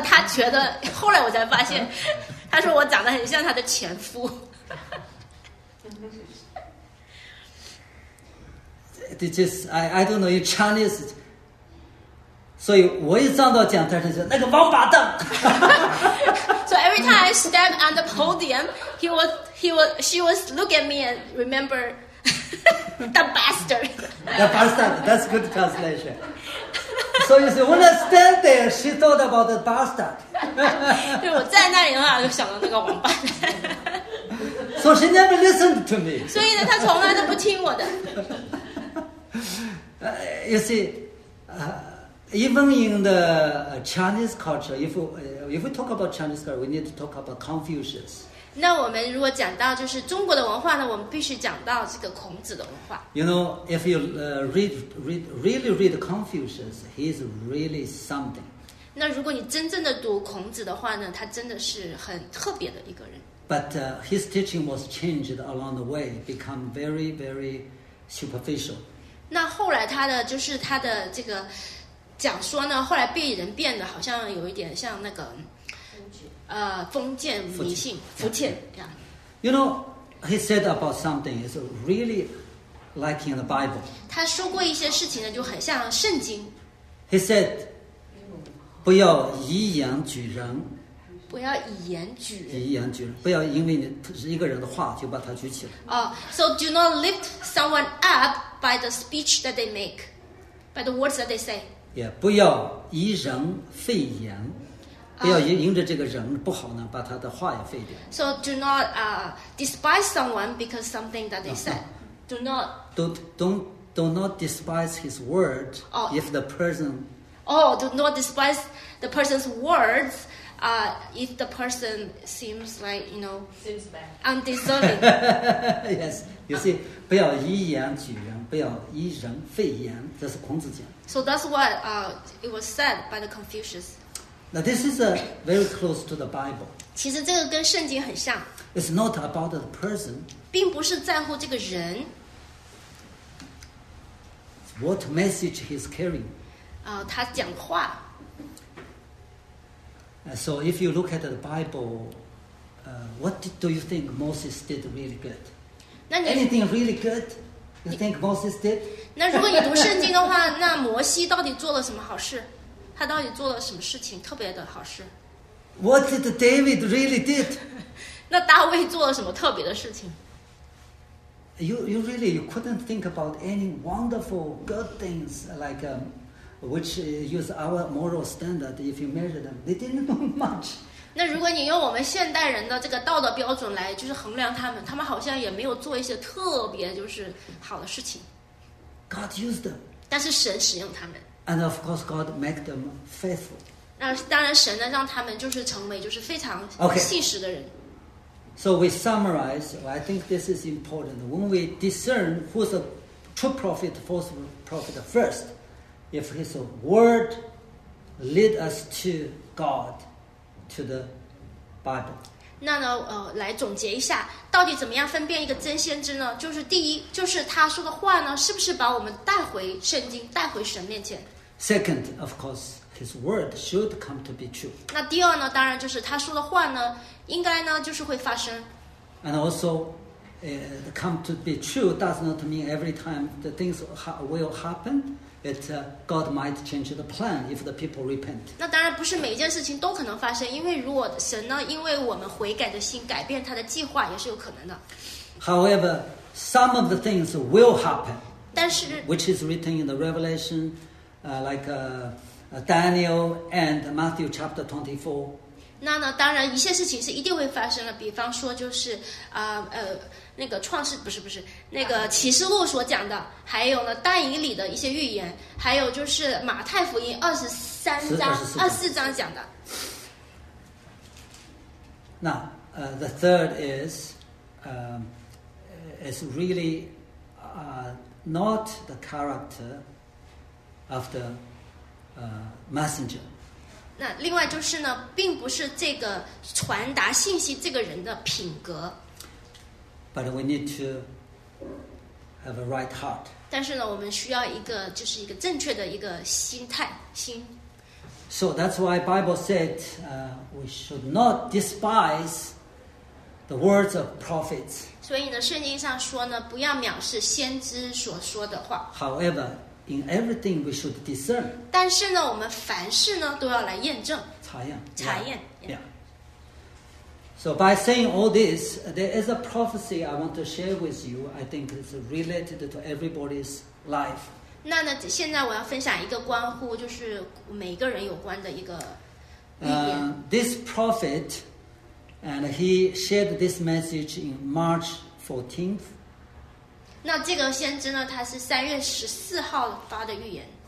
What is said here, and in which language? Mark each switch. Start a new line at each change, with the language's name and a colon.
Chinese: 他觉得后来我才发现，他说我长得很像他的前夫。
English: It is I don't know in Chinese.
Chinese: 所以我一上到讲台上就那个王八蛋。
English: So every time I stand on the podium, she was look at me and remember. The bastard. The bastard. That's good translation. So you see, when I stand there, she thought about the bastard.
Chinese: 对，我在那里的话，就想到那个王八蛋。
English: So she never listened to me.
Chinese: 所以呢，她从来都不听我的。
English: You see, even in the Chinese culture, if we talk about Chinese culture, we need to talk about Confucius.
Chinese: 那我们如果讲到就是中国的文化呢，我们必须讲到这个孔子的文化。
English: You know, if you really read Confucius, he is really something.
Chinese: 那如果你真正的读孔子的话呢，他真的是很特别的一个人。
English: But his teaching was changed along the way, become very, very superficial.
Chinese: 那后来他的就是他的这个讲说呢，后来被人变得好像有一点像那个封建迷信福建
English: You know, he said about something is really like in the Bible.
Chinese: 他说过一些事情呢，就很像圣经。
English: He said,
Chinese: 不要以言举人。不要以言举人，以言举人，不要因为你一个人的话就把他举起来。
English: So do not lift someone up by the speech that they make, by the words that they say.
Chinese: Yeah, 不要以人废言，不要因着这个人不好呢，把他的话也废掉。
English: So do not despise someone because something that they say. Do not. Do not despise his word if the person. Oh, do not despise the person's words. If the person seems like, you know, undeserving. Yes, you see,
Chinese: 不要以言举人，不要以人废言，这是孔子讲。
English: So that's what it was said by the Confucius. Now this is very close to the Bible.
Chinese: 其实这个跟圣经很像。
English: It's not about the person.
Chinese: 并不是在乎这个人。
English: What message he's carrying?
Chinese: 他讲话。
English: So if you look at the Bible, what do you think Moses did really good? Anything really good you think Moses did?
Chinese: 那如果你读圣经的话，那摩西到底做了什么好事？他到底做了什么事情特别的好事？
English: What did David really did?
Chinese: 那大卫做了什么特别的事情？
English: You couldn't think about any wonderful good things like which use our moral standard, if you measure them, they didn't know much.
Chinese: 那如果你用我们现代人的这个道德标准来就是衡量他们，他们好像也没有做一些特别就是好的事情。
English: God used them.
Chinese: 但是神使用他们。
English: And of course, God made them faithful.
Chinese: 那当然，神呢让他们就是成为就是非常信实的人。
English: So we summarize. I think this is important. When we discern who's a true prophet, false prophet, first. If his word lead us to God, to the Bible.
Chinese: 那呢，来总结一下，到底怎么样分辨一个真先知呢？就是第一，就是他说的话呢，是不是把我们带回圣经，带回神面前
English: ？Second, of course, his word should come to be true.
Chinese: 那第二呢，当然就是他说的话呢，应该呢就是会发生。
English: And also,come to be true does not mean every time the things will happen. God might change the plan if the people repent.
Chinese: 那当然不是每一件事情都可能发生，因为如果神呢，因为我们悔改的心改变他的计划也是有可能的。
English: However, some of the things will happen.
Chinese: 但是
English: which is written in the Revelation, like Daniel and Matthew chapter 24.
Chinese: 那呢，当然一些事情是一定会发生的，比方说就是那个创世不是不是那个启示录所讲的，还有呢但以理的一些预言，还有就是马太福音二十四章讲的。
English: 那the third is really not the character of the messenger.
Chinese: 那另外就是呢，并不是这个传达信息这个人的品格。
English: But we need to have a right heart.
Chinese: 但是呢，我们需要一个就是一个正确的一个心态心。
English: So that's why Bible said, we should not despise the words of prophets.
Chinese: 所以呢，圣经上说呢，不要藐视先知所说的话。
English: However, in everything we should discern.
Chinese: 但是呢，我们凡事呢都要来验证。查验。
English: So by saying all this, there is a prophecy I want to share with you. I think it's related to everybody's life.
Chinese: 那呢，现在我要分享一个关乎就是每个人有关的一个预言。
English: This prophet, and he shared this message in March 14th.
Chinese: 那这个先知呢，他是三月十四号发的预言。